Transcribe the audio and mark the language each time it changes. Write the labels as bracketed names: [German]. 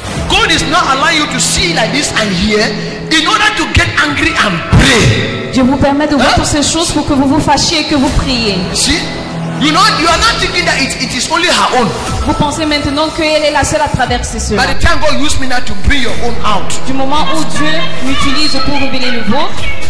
[English] God is not allowing you to see like this and hear in order to get angry and pray. [French] Dieu vous permet de voir toutes ces choses pour que vous vous fâchiez et que vous priez. [English] See? You are not thinking that it is only her own. [French] Vous pensez maintenant qu'elle est la seule à traverser cela. [English] By the time God used me now to bring your own out. [French] Du moment où Dieu m'utilise pour révéler le vôtre.